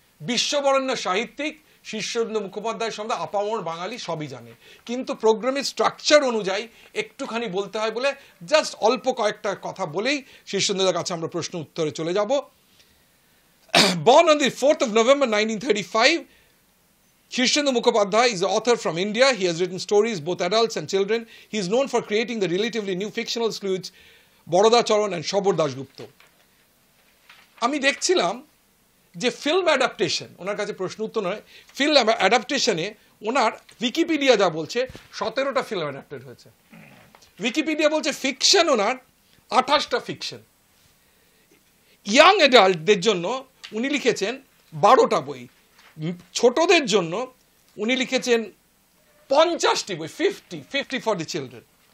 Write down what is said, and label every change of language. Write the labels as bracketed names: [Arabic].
[Bangla] বিশ্ববরণ্য সাহিত্যিক শীর্ষেন্দু মুখোপাধ্যায় সম্বন্ধে আপামর বাঙালি সবই জানে, কিন্তু প্রোগ্রামের স্ট্রাকচার অনুযায়ী একটুখানি বলতে হয় বলে জাস্ট অল্প কয়েকটা কথা বলেই শীর্ষেন্দুর কাছে আমরা প্রশ্ন উত্তরে চলে যাব। [English] Born on the 4th of November 1935, Sirsendu Mukhopadhyay is an author from India. He has written stories, both adults and children. He is known for creating the relatively new fictional sleuths Borodacharan and Shobor Dasgupta. [Bangla] আমি দেখছিলাম যে film adaptation ওনার কাছে প্রশ্ন উত্তর নয়, film অ্যাডাপটেশনে ওনার Wikipedia যা বলছে 17টা film adapted হয়েছে, উইকিপিডিয়া বলছে ফিকশন ওনার 28টা ফিকশন, ইয়াং অ্যাডাল্টদের জন্য উনি লিখেছেন 12টা বই, ছোটদের জন্য উনি লিখেছেন 50টি বই, [English] 50 for the children.